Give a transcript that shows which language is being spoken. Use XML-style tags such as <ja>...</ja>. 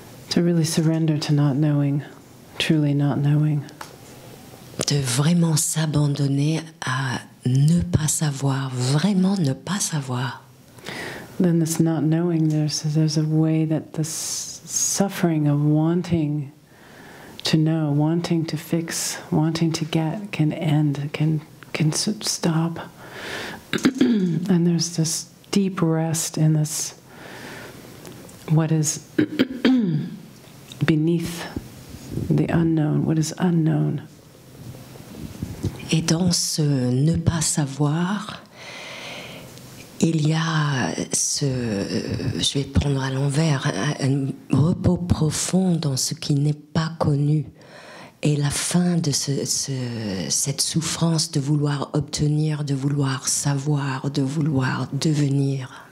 <en>To really surrender to not knowing, truly not knowing.</en> <fr>De vraiment s'abandonner à ne pas savoir, vraiment ne pas savoir.</fr> <en>Then this not knowing, there's a way that the suffering of wanting to know, wanting to fix, wanting to get, can end, can stop. And there's this deep rest in this, what is beneath the unknown, what is unknown.</en> <fr>Et dans ce ne pas savoir, il y a ce, je vais prendre à l'envers, un repos profond dans ce qui n'est pas connu Et la fin de cette souffrance de vouloir obtenir, de vouloir savoir, de vouloir devenir.</fr>